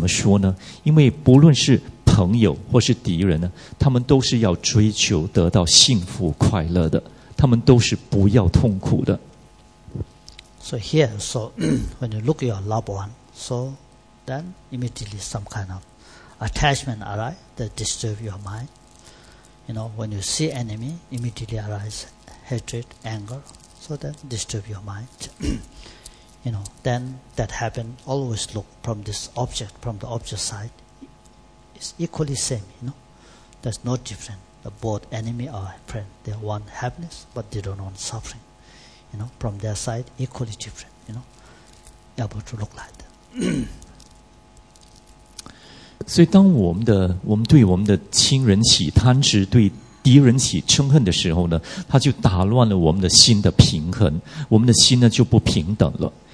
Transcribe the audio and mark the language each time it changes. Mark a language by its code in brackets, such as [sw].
[zh] 要是呢，要是我们对我们的朋友还是起很深的贪执，我们对敌人还是起很深的一个嗔恨心的话，还是没有办法，没有办法做到的话，还有另外一个方法。另外一个方法呢，就是从众生的角度来看，这个我们所讲的这个朋友，或者是我们所讲的这个敌人呢，从他们的角度来看，他们是平等的。怎么说呢？因为不论是 朋友或是敌人呢，他们都是要追求得到幸福快乐的，他们都是不要痛苦的。 [en] So here, so when you look at your loved one, so then immediately some kind of attachment arise that disturb your mind. You know, when you see enemy, immediately arise hatred, anger, so that disturb your mind. You know, then that happen, always look from this object, from the object side. It's equally same, you know. There's no difference. The both enemy or friend, they want happiness, but they don't want suffering. You know, from their side, equally different, you know. You're able to look like that. [zh] 所以当我们对我们的亲人起贪执，对敌人起嗔恨的时候呢，它就打乱了我们的心的平衡，我们的心呢就不平等了。